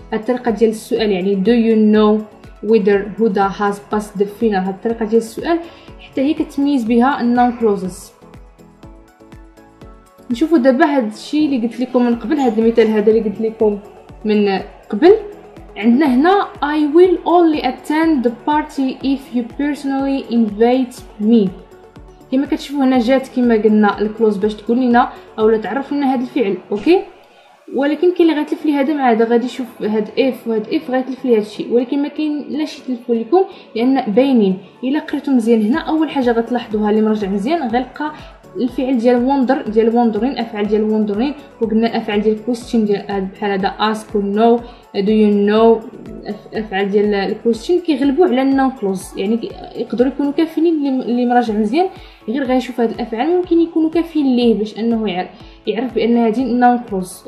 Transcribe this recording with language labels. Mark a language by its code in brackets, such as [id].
[ar] الطريقه ديال السؤال يعني [en] do you know whether Huda has passed the final، [ar] هاد الطريقه ديال السؤال حتى هي كتميز بها النون كلوزز. نشوفوا دابا هاد الشيء اللي قلت لكم من قبل، هاد المثال هذا اللي قلت لكم من قبل. عندنا هنا [en] I will only attend the party if you personally invite me. [ar] كما كتشوفوا هنا جات كما قلنا الكلوز باش تقول لنا او لا تعرف لنا هاد الفعل. اوكي، ولكن كاين اللي غيتلف لي هذا مع هذا، غادي يشوف هاد اف وهاد اف غيتلف لي هاد الشيء، ولكن ما كاين لا شيء تلفوا لكم لان باينين. الا قريتو مزيان هنا اول حاجه غتلاحظوها اللي مرجع مزيان غلقى الفعل ديال وندر ديال وندرين، افعال ديال وندرين، وقلنا افعال ديال كويستشن ديال بحال هذا اسك نو دو يو نو، افعال ديال الكويستشن كيغلبوا على النون كلوز، يعني يقدروا يكونوا كافيين اللي مراجع مزيان غير غيشوف هاد الافعال ممكن يكونوا كافيين ليه باش انه يعرف بان هادي نون كلوز.